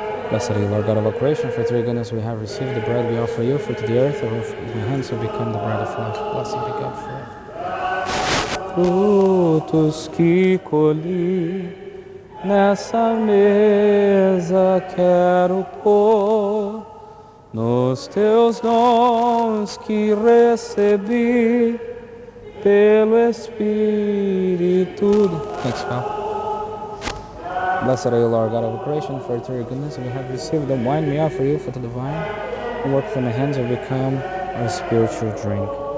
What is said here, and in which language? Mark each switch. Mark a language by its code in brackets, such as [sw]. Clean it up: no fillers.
[en] Blessed are you, Lord God of all creation, for through your goodness we have received the bread we offer you, fruit of the earth, and your hands have become the bread of life. Blessed be God forever. [pt] Frutos que colhi, nessa mesa quero pôr, nos teus dons que recebi, pelo Espírito. [en] Thanks, pal. Blessed are you, Lord God of creation, for through your goodness we have received the wine we offer you for the divine, and work from the hands have become our spiritual drink.